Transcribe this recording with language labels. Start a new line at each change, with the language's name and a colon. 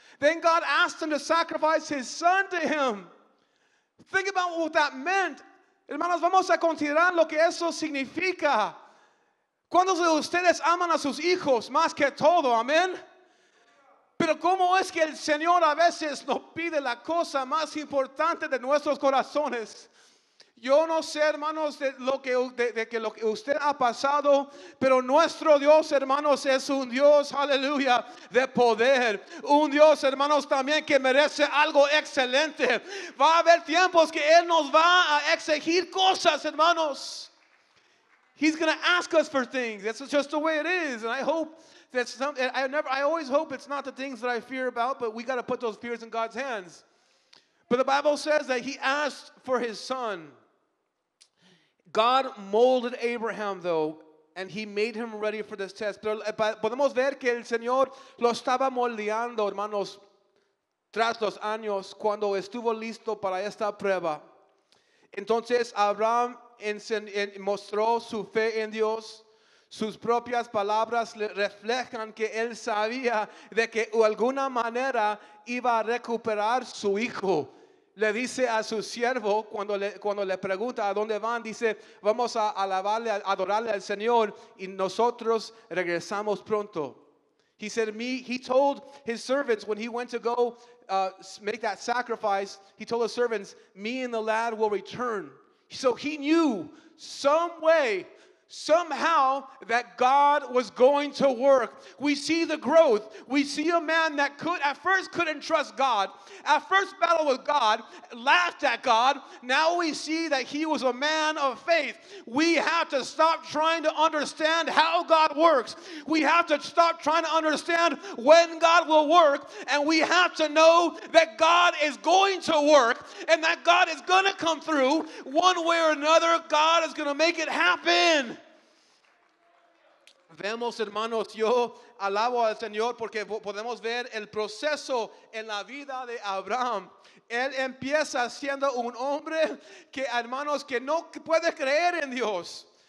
English: Then God asked him to sacrifice his son to him. Think about what that meant.
Spanish: Hermanos, vamos a considerar lo que eso significa. ¿Cuántos de ustedes aman a sus hijos más que todo? ¿Amén? Pero ¿cómo es que el Señor a veces nos pide la cosa más importante de nuestros corazones? Yo no sé, hermanos, de lo que usted ha pasado, pero nuestro Dios, hermanos, es un Dios, aleluya, de poder. Un Dios, hermanos, también que merece algo excelente. Va a haber tiempos que Él nos va a exigir cosas, hermanos.
English: He's going to ask us for things. That's just the way it is. And I hope that I always hope it's not the things that I fear about, but we got to put those fears in God's hands. But the Bible says that he asked for his son. God molded Abraham, though, and he made him ready for this test.
Spanish: Pero podemos ver que el Señor lo estaba moldeando, hermanos, tras los años, cuando estuvo listo para esta prueba. Entonces, Abraham mostró su fe en Dios. Sus propias palabras reflejan que él sabía de que de alguna manera iba a recuperar su hijo. Le dice a su siervo, cuando le pregunta a dónde van, dice: vamos a alabarle, a adorarle al Señor, y nosotros regresamos pronto.
English: He said, he told his servants when he went to go make that sacrifice, he told his servants, me and the lad will return. So he knew some way, somehow, that God was going to work. We see the growth. We see a man that at first couldn't trust God. At first battled with God, laughed at God. Now we see that he was a man of faith. We have to stop trying to understand how God works. We have to stop trying to understand when God will work. And we have to know that God is going to work and that God is going to come through. One way or another, God is going to make it happen.
Spanish: Vemos, hermanos, yo alabo al Señor porque podemos ver el proceso en la vida de Abraham. Él empieza siendo un hombre que, hermanos, que no puede creer en Dios,